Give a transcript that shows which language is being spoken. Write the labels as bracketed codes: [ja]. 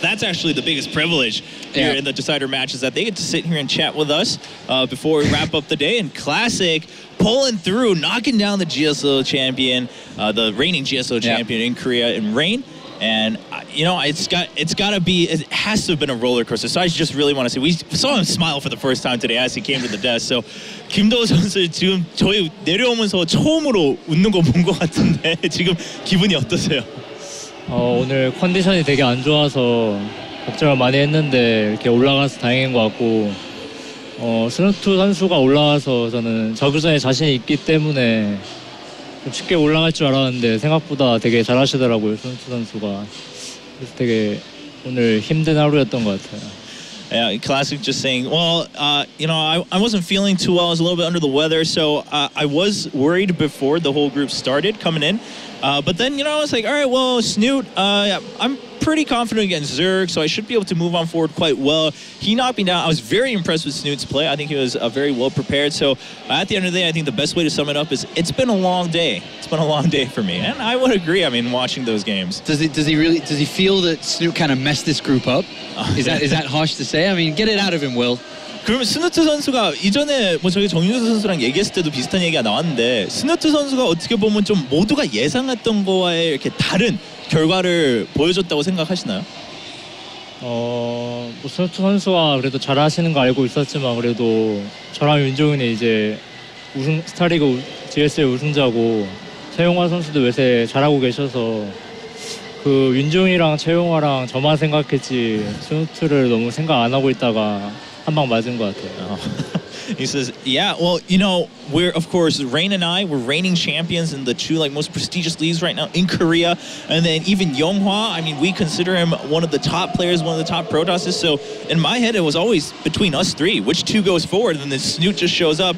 [en] That's actually the biggest privilege here in the Decider match, is that they get to sit here and chat with us before we wrap up the day. And Classic pulling through, knocking down the GSO champion, the reigning GSO champion in Korea, in Rain. And, you know, it has to have been a roller coaster. So I just really want to say, we saw him smile for the first time today as he came to the desk. [ko] So, Kim Do 선수 지금 저희 내려오면서 처음으로 웃는 거 본 것 같은데 지금 기분이 어떠세요? 오늘 컨디션이 되게 안 좋아서 걱정을 많이 했는데 이렇게 올라가서 다행인 것 같고 스노트 선수가 올라와서 저는 저그전에 자신이 있기 때문에 쉽게 올라갈 줄 알았는데 생각보다 되게 잘 하시더라고요, 선수 선수가. 그래서 되게 오늘 힘든 하루였던 것 같아요. [en] Yeah, Classic just saying, well, you know, I wasn't feeling too well. I was a little bit under the weather, so I was worried before the whole group started coming in. But then, you know, I was like, all right, well, Snoot, I'm pretty confident against Zerg, so I should be able to move on forward quite well. He knocked me down. I was very impressed with Snoot's play. I think he was very well prepared. So at the end of the day, I think the best way to sum it up is it's been a long day. It's been a long day for me, and I would agree. I mean, watching those games. Does he feel that Snoot kind of messed this group up? Is that harsh to say? I mean, get it out of him, Will. [ko] 그러면 스누트 선수가 이전에 뭐 저희 정윤수 선수랑 얘기했을 때도 비슷한 얘기가 나왔는데 스누트 선수가 어떻게 보면 좀 모두가 예상했던 거와의 이렇게 다른 결과를 보여줬다고 생각하시나요? 뭐 스누트 선수가 그래도 잘하시는 거 알고 있었지만 그래도 저랑 윤종윤이 이제 우승 스타리그 GSL 우승자고 최용화 선수도 외세 잘하고 계셔서 그 윤종윤이랑 최용화랑 저만 생각했지 스누트를 너무 생각 안 하고 있다가 한방 맞은 것 같아요. [en] He says, yeah, well, you know, we're, of course, Rain and I, we're reigning champions in the two, like, most prestigious leagues right now in Korea. And then even Yonghwa, I mean, we consider him one of the top players, one of the top Protosses. So in my head, it was always between us three, which two goes forward, and then Snoot just shows up.